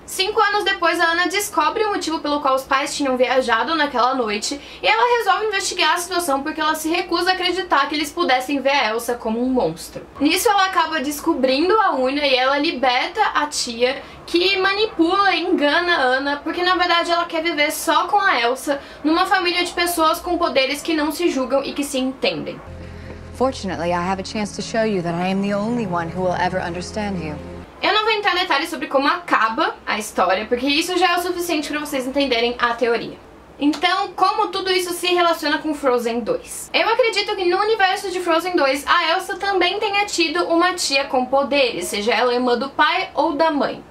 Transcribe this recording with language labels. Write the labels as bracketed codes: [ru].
[pt] 5 anos depois, a Anna descobre o motivo pelo qual os pais tinham viajado naquela noite e ela resolve investigar a situação porque ela se recusa a acreditar que eles pudessem ver a Elsa como um monstro. Nisso, ela acaba descobrindo a urna e ela liberta a tia, que manipula e engana a Anna porque, na verdade, ela quer viver só com a Elsa numa família de pessoas com poderes que não se julgam e que se entendem. [en] Fortunately, I have a chance to show you that I am the only one who will ever understand you. [pt] Eu não vou entrar em detalhes sobre como acaba a história, porque isso já é o suficiente para vocês entenderem a teoria. Então, como tudo isso se relaciona com Frozen 2? Eu acredito que no universo de Frozen 2, a Elsa também tenha tido uma tia com poderes, seja ela irmã do pai ou da mãe.